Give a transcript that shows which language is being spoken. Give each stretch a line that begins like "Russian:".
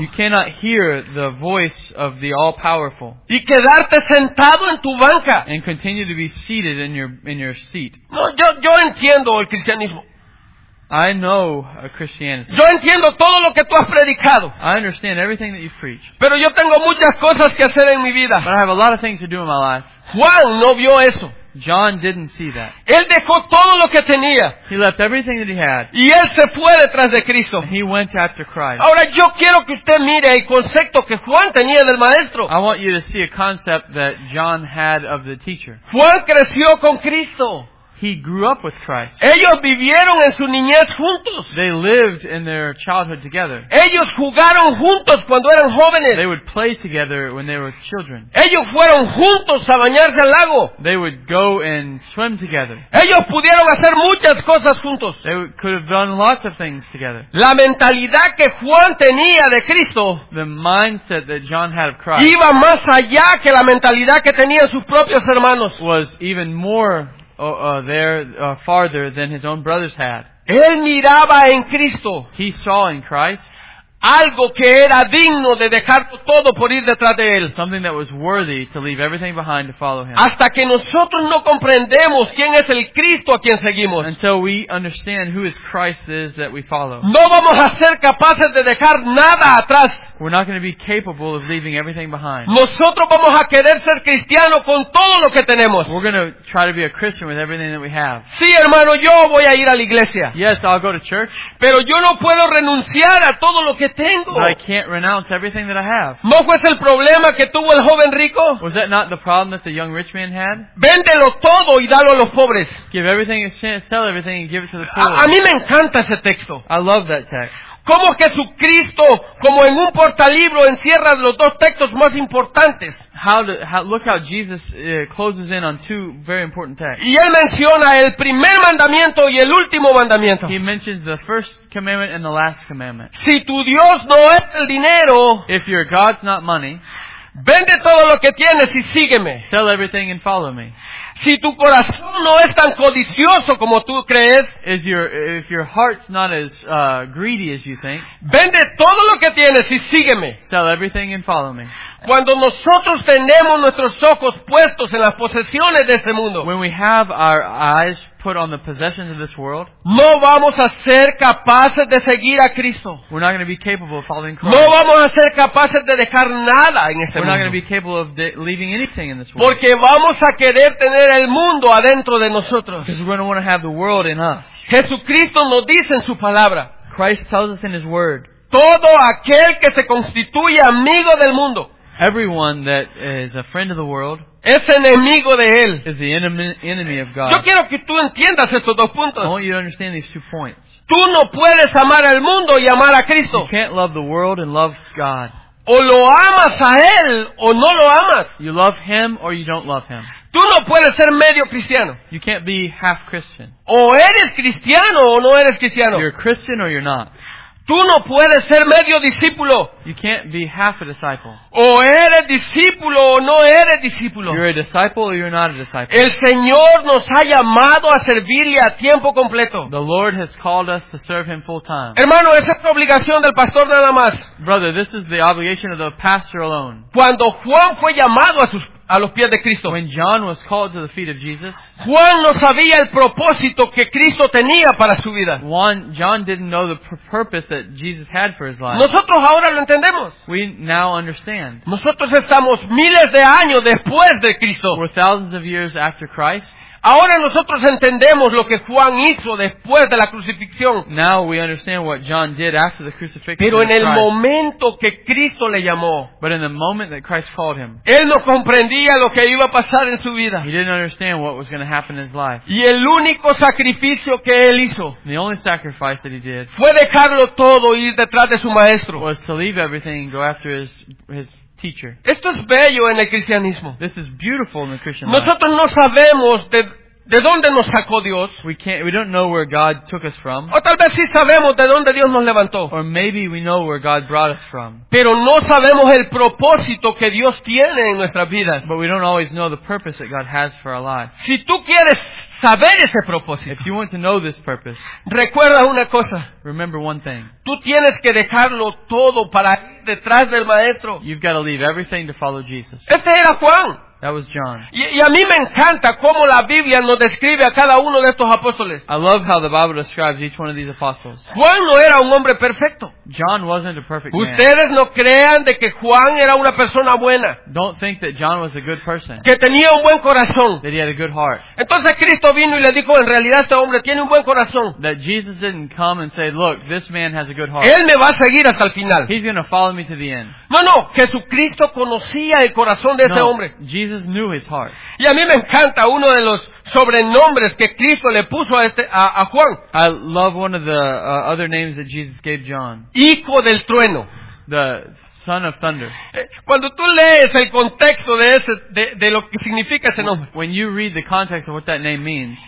English: You cannot hear the voice of the All-Powerful.
Spanish: Y quedarte sentado en tu banca.
English: And continue to be seated in your seat.
Spanish: No, yo entiendo el cristianismo.
English: I know a Christianity.
Spanish: Yo entiendo todo lo que tú has predicado.
English: I understand everything that you've preached.
Spanish: Pero yo tengo muchas cosas que hacer en mi vida.
English: But I have a lot of things to do in my life.
Spanish: Juan no vio eso.
English: John didn't see that.
Spanish: Él dejó todo lo que tenía.
English: He left everything that he had.
Spanish: Y él se fue detrás de Cristo.
English: And he went after Christ.
Spanish: Ahora yo quiero que usted mire el concepto que Juan tenía del maestro.
English: I want you to see a concept that John had of the teacher.
Spanish: Juan creció con Cristo.
English: He grew up with Christ.
Spanish: Ellos vivieron en su niñez juntos.
English: They lived in their childhood together.
Spanish: Ellos jugaron juntos cuando eran jóvenes.
English: They would play together when they were children.
Spanish: Ellos fueron juntos a bañarse al lago.
English: They would go and swim together.
Spanish: Ellos pudieron hacer muchas cosas juntos.
English: They could have done lots of things together.
Spanish: La mentalidad que Juan tenía de Cristo,
English: the mindset that John had of Christ,
Spanish: iba más allá que la mentalidad que tenían sus propios hermanos.
English: Was even more farther than his own brothers had.
Spanish: Él miraba en Cristo.
English: He saw in Christ
Spanish: algo que era digno de dejar todo por ir detrás de él.
English: Something that was worthy to leave everything behind to follow him.
Spanish: Hasta que nosotros no comprendemos quién es el Cristo a quien seguimos.
English: Until we understand who is Christ is that we follow.
Spanish: No vamos a ser capaces de dejar nada atrás.
English: We're not going to be capable of leaving everything behind.
Spanish: Nosotros vamos a querer ser cristiano con todo lo que tenemos.
English: We're going to try to be a Christian with everything that we have.
Spanish: Sí, hermano, yo voy a ir a la iglesia.
English: Yes, I'll go to church.
Spanish: Pero yo no puedo renunciar a todo lo que tengo.
English: I can't renounce everything that I have.
Spanish: ¿No fue el problema que tuvo el joven rico?
English: Was that not the problem that the young rich man had?
Spanish: Véndelo todo y dalo a los pobres.
English: Give everything, sell everything and give it to the poor.
Spanish: A mí me encanta ese texto.
English: I love that text.
Spanish: ¿Cómo Jesucristo, como en un portalibro, encierra los dos textos más importantes?
English: Look how Jesus closes in on two very important texts.
Spanish: Y él menciona el primer mandamiento y el último mandamiento.
English: He mentions the first commandment and the last commandment.
Spanish: Si tu Dios no es el dinero,
English: if your God's not money,
Spanish: vende todo lo que tienes y sígueme.
English: Sell everything and follow me.
Spanish: Si tu corazón no es tan codicioso como tú crees,
English: if your heart's not as greedy as you think,
Spanish: vende todo lo que tienes y sígueme.
English: Sell everything and follow me.
Spanish: Cuando nosotros tenemos nuestros ojos puestos en las posesiones de este mundo,
English: when we have our eyes put on the possessions of this world,
Spanish: no vamos a ser capaces de seguir a Cristo.
English: We're not going to be capable of following Christ.
Spanish: No vamos a ser capaces de dejar nada en este mundo.
English: We're not going to be capable of leaving anything in this world.
Spanish: Porque vamos a querer tener el mundo adentro de nosotros.
English: Because we're going to want to have the world in us.
Spanish: Jesucristo nos dice en su palabra.
English: Christ tells us in his word.
Spanish: Todo aquel que se constituye amigo del mundo.
English: Everyone that is a friend of the world
Spanish: es enemigo de él.
English: Is the enemy of God.
Spanish: Yo quiero que tú entiendas estos dos puntos.
English: I want you to understand these two points.
Spanish: Tú no puedes amar al mundo y amar a Cristo.
English: You can't love the world and love God.
Spanish: O lo amas a él o no lo amas.
English: You love him or you don't love him.
Spanish: Tú no puedes ser medio cristiano.
English: You can't be half Christian.
Spanish: O eres cristiano o no eres cristiano.
English: You're a Christian or you're not.
Spanish: Tú no puedes ser medio discípulo.
English: You can't be half a disciple.
Spanish: O eres discípulo o no eres discípulo.
English: You're a disciple or you're not a disciple.
Spanish: El Señor nos ha llamado a servirle a tiempo completo.
English: The Lord has called us to serve him full time.
Spanish: Hermano, esa es la obligación del pastor nada más.
English: Brother, this is the obligation of the pastor alone.
Spanish: Cuando Juan fue llamado a los pies de Cristo.
English: When John was called to the feet of Jesus,
Spanish: Juan no sabía el propósito que Cristo tenía para su vida.
English: John didn't know the purpose that Jesus had for his life.
Spanish: Nosotros ahora lo entendemos.
English: We now understand.
Spanish: Nosotros estamos miles de años después de Cristo.
English: We're thousands of years after Christ.
Spanish: Ahora nosotros entendemos lo que Juan hizo después de la crucifixión.
English: Now we understand what John did after the crucifixion.
Spanish: Pero en el momento que Cristo le llamó,
English: but in the moment that Christ called him,
Spanish: él no comprendía lo que iba a pasar en su vida.
English: He didn't understand what was going to happen in his life.
Spanish: Y el único sacrificio que él hizo,
English: the only sacrifice that he did,
Spanish: fue dejarlo todo y ir detrás de su maestro.
English: Was to leave everything and go after his teacher.
Spanish: Esto es bello en el cristianismo.
English: This is beautiful in the Christian life.
Spanish: Nosotros no sabemos de dónde nos sacó Dios.
English: We don't know where God took us from.
Spanish: O tal vez sí sabemos de dónde Dios nos levantó.
English: Or maybe we know where God brought us from.
Spanish: Pero no sabemos el propósito que Dios tiene en nuestras vidas.
English: But we don't always know the purpose that God has for our lives.
Spanish: Si tú quieres saber ese propósito,
English: if you want to know this purpose,
Spanish: recuerda una cosa.
English: Remember one thing.
Spanish: Tú tienes que dejarlo todo para ir detrás del maestro.
English: You've got to leave everything to follow Jesus.
Spanish: Este era Juan.
English: That was John.
Spanish: Y a mí me encanta cómo la Biblia nos describe a cada uno de estos apóstoles.
English: I love how the Bible describes each one of these apostles.
Spanish: Juan no era un hombre perfecto.
English: John wasn't a perfect man.
Spanish: Ustedes no crean de que Juan era una persona buena.
English: Don't think that John was a good person.
Spanish: Que tenía un buen corazón.
English: That he had a good heart.
Spanish: Entonces Cristo vino y le dijo, en realidad este hombre tiene un buen corazón.
English: That Jesus didn't come and say, look, this man has a good heart.
Spanish: Él me va a seguir hasta el final.
English: He's going to follow me to the end.
Spanish: No, Jesucristo conocía el corazón de ese hombre.
English: Jesus knew his heart.
Spanish: Y a mí me encanta uno de los sobrenombres que Cristo le puso a Juan.
English: I love one of the other names that Jesus gave John.
Spanish: Hijo del trueno.
English: The son of thunder.
Spanish: Cuando tú lees el contexto de lo que significa ese nombre.
English: When you read the context of what that name means.